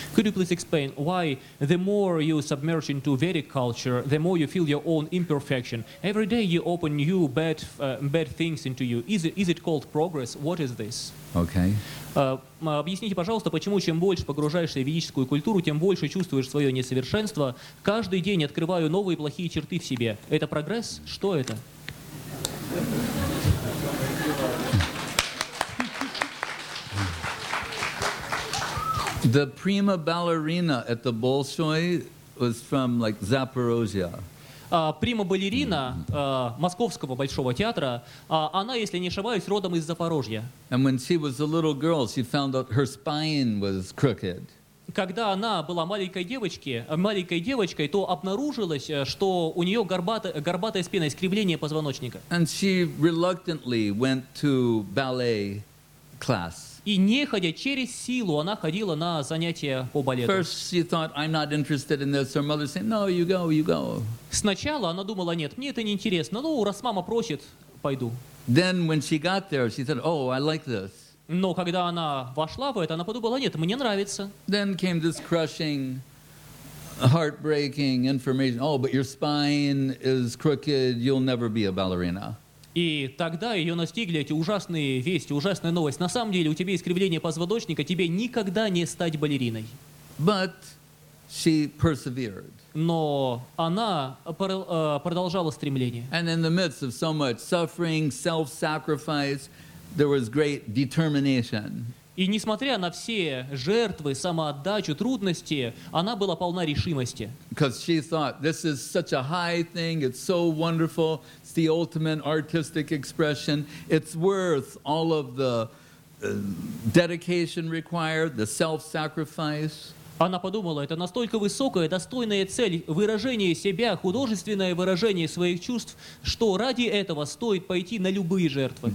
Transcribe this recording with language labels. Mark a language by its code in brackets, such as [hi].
[en] Could you please explain why the more you submerge into Vedic culture, the more you feel your own imperfection? Every day you open new bad things into you. Is it called progress? What is this? Okay. [ru] Объясните, пожалуйста, почему чем больше погружаешься в ведическую культуру, тем больше чувствуешь свое несовершенство. Каждый день открываю новые плохие черты в себе. Это прогресс? Что это? [en] The prima ballerina at the Bolshoi was from like Zaporozhye. [ru] Прима балерина Московского большого театра, она, если не ошибаюсь, родом из Запорожья. [en] And when she was a little girl, she found out her spine was crooked. [ru] Когда она была маленькой девочкой, то обнаружилось, что у нее горбатая спина, искривление позвоночника. [en] And she reluctantly went to ballet class. [ru] И неходя, через силу, она ходила на занятия по балету. [en] First she thought, I'm not interested in this. Her mother said, no, you go, you go. [ru] Сначала она думала, нет, мне это не интересно. Ну, раз мама просит, пойду. [en] Then when she got there, she said, oh, I like this. [ru] Но когда она вошла в это, она подумала, нет, мне нравится. [en] Then came this crushing heartbreaking information. Oh, but your spine is crooked. You'll never be a ballerina. [ru] И тогда ее настигли эти ужасные вести, ужасная новость. На самом деле, у тебя искривление позвоночника, тебе никогда не стать балериной. [en] But she persevered. [ru] Но она продолжала стремление. [en] And in the midst of so much suffering, self-sacrifice, there was great determination. [ru] И несмотря на все жертвы, самоотдачу, трудности, она была полна решимости. [en] Because she thought, this is such a high thing, it's so wonderful. The ultimate artistic expression. It's worth all of the dedication required, the self-sacrifice. [ru] Она подумала, это настолько высокая, достойная цель, выражение себя, художественное выражение своих чувств, что ради этого стоит пойти на любые жертвы.